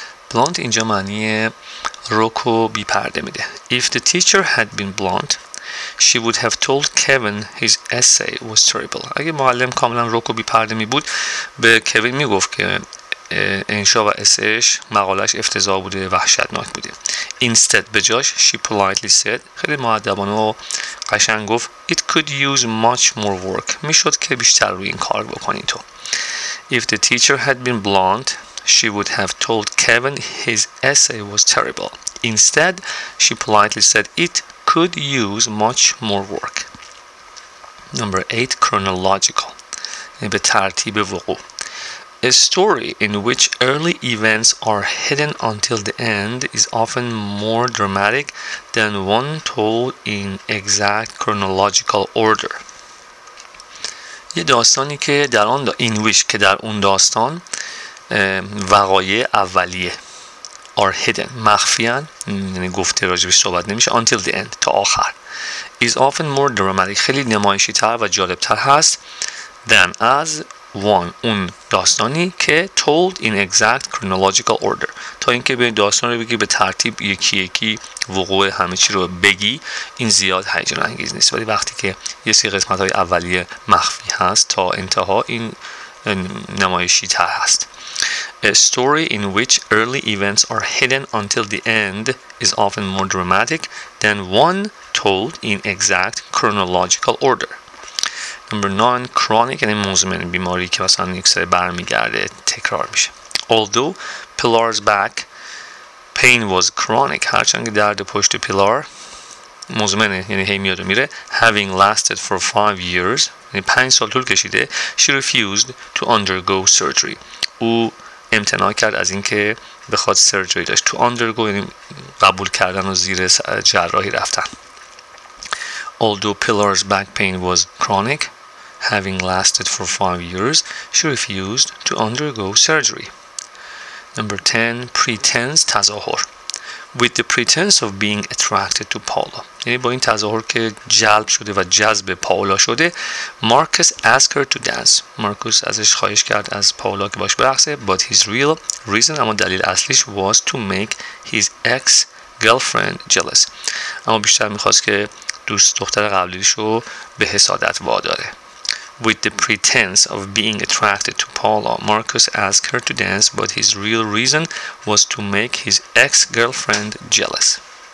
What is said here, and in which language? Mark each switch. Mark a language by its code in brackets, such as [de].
[fa] بلوند اینجا معنی رک و بی پرده میده. [en] If the teacher had been blunt, she would have told Kevin his essay was terrible. [fa] اگه معلم کاملا رک و بی پرده می بود به کوین میگفت که انشا و اسش مقالش افتضاح بوده، وحشتناک بوده. [en] Instead [fa] به جاش [en] she politely said [fa] خیلی مؤدبانه و قشنگ گفت [en] it could use much more work. [fa] میشد که بیشتر روی این کار بکنی تو. [en] If the teacher had been blunt, she would have told Kevin his essay was terrible. Instead, she politely said it could use much more work. Number 8, chronological. [fa] به ترتیب وقوع. [en] A story in which early events are hidden until the end is often more dramatic than one told in exact chronological order. [fa] یه داستانی که در آن این ویش که در اون داستان وقایع اولیه [en] are hidden [fa] مخفیان، یعنی گفته راجبش صحبت نمیشه [en] until the end [fa] تا آخر، [en] is often more dramatic [fa] خیلی نمایشی تر و جالب تر هست [en] than as one [fa] اون داستانی که [en] told in exact chronological order، [fa] تا اینکه به داستان رو بگی به ترتیب یکی یکی وقوع همه چی رو بگی این زیاد هیجان انگیز نیست، ولی وقتی که یه سری قسمت های اولیه مخفی هست تا انتها این نمایشی تر هست. [en] A story in which early events are hidden until the end is often more dramatic than one told in exact chronological order. Number 9, chronic and [fa] مزمن، بیماری که مثلا یک سری برمیگرده تکرار میشه. [en] Although Pilar's back pain was chronic، [fa] هرچند که درد پشت پیلار مزمنه، یعنی هی میاد و میره، [en] having lasted for 5 years، [fa] یعنی 5 سال طول کشیده، [en] she refused to undergo surgery. [fa] او امتناع کرد از اینکه بخواد سرجری داشت. [en] To undergo [fa] یعنی قبول کردن و زیر جراحی رفتن. [en] Although Pillar's back pain was chronic, having lasted for 5 years, she refused to undergo surgery. Number 10, pretense تظاهر. With the pretense of being attracted to Paula. [fa] یعنی با این تظاهر که جلب شده و جذب پاولا شده، [en] Marcus asked her to dance. [fa] Marcus ازش خواهش کرد از پاولا که باش برقصه. [en] But his real reason، [fa] اما دلیل اصلیش، [en] was to make his ex-girlfriend jealous. [fa] اما بیشتر میخواست که دوست دختر قبلیشو به حسادت واداره. [en] With the pretense of being attracted to Paula, Marcus asked her to dance, but his real reason was to make his ex-girlfriend jealous.